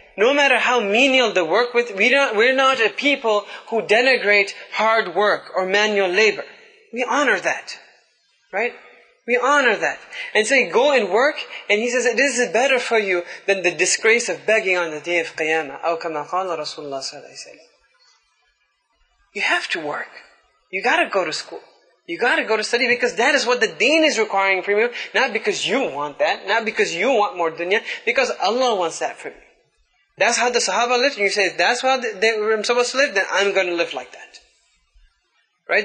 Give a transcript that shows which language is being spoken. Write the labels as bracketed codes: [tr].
[en] No matter how menial the work with, we're not a people who denigrate hard work or manual labor. We honor that. Right? We honor that. And say, go and work. And he says, this is better for you than the disgrace of begging on the day of Qiyamah. [ar] أو كما قال رسول الله صلى الله عليه وسلم. [en] You have to work. You gotta go to school. You gotta go to study because that is what the deen is requiring from you. Not because you want that. Not because you want more dunya. Because Allah wants that from you. That's how the Sahaba lived, and you say, that's how they were supposed to live, then I'm going to live like that. Right?